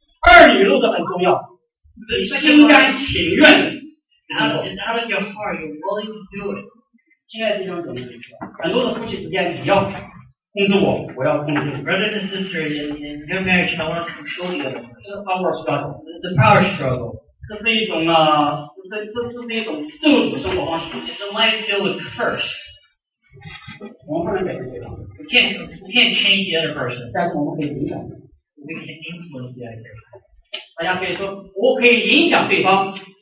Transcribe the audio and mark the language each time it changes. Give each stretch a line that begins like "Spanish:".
Chinese: 二里路的很重要，心甘情愿。
English: Out of your heart, you're willing to do it. Brothers and sisters, in your marriage, I want to control you. It's a power struggle. It's a power struggle. It's a life filled with curse. We can't change the other person. We can influence the other person.
Chinese: 大家可以说，我可以影响对方。